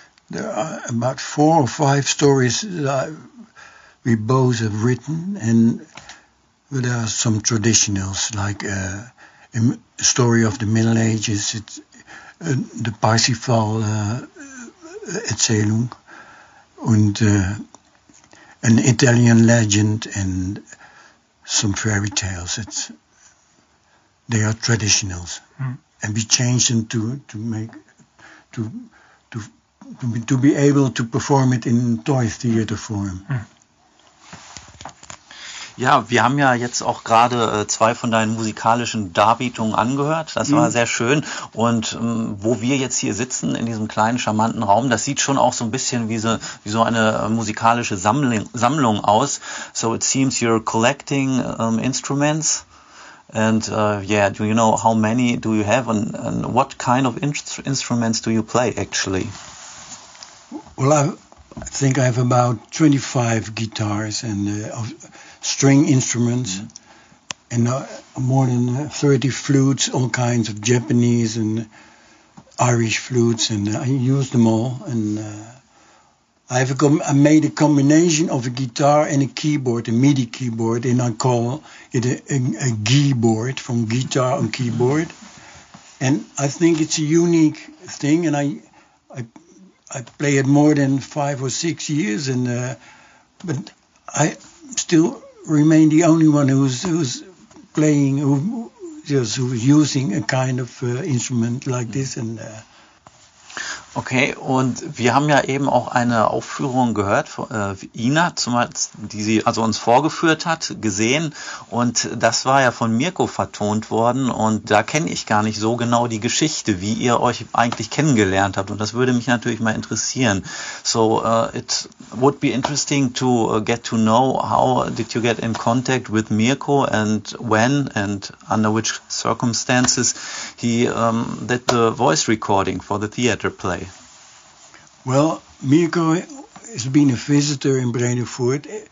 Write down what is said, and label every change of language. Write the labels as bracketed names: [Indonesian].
[English] There are about 4 or 5 stories that we both have written, and there are some traditionals, like a story of the Middle Ages, it's the Parsifal Erzählung, and an Italian legend, and some fairy tales. They are traditionals, and we change them to be able to perform it in toy theater form. Mm. [German] Ja, wir haben ja jetzt auch gerade 2 von deinen musikalischen Darbietungen angehört. Das war sehr schön. Und wo wir jetzt hier sitzen, in diesem kleinen, charmanten Raum, das sieht schon auch so ein bisschen wie so eine musikalische Sammlung aus. [English] So it seems you're collecting instruments. And do you know how many do you have? And what kind of instruments do you play, actually? Well, I think I have about 25 guitars and... string instruments, and more than 30 flutes, all kinds of Japanese and Irish flutes, and I use them all. And I made a combination of a guitar and a keyboard, a MIDI keyboard, and I call it a keyboard, from guitar on keyboard. And I think it's a unique thing, and I play it more than 5 or 6 years, and but I still remain the only one who's playing, who's using a kind of instrument like this. And [German] okay, und wir haben ja eben auch eine Aufführung gehört von Ina, die sie also uns vorgeführt hat, gesehen, und das war ja von Mirko vertont worden, und da kenne ich gar nicht so genau die Geschichte, wie ihr euch eigentlich kennengelernt habt, und das würde mich natürlich mal interessieren. [English] So it would be interesting to get to know, how did you get in contact with Mirko, and when and under which circumstances he did the voice recording for the theater play? Well, Mirko has been a visitor in Bredevoort.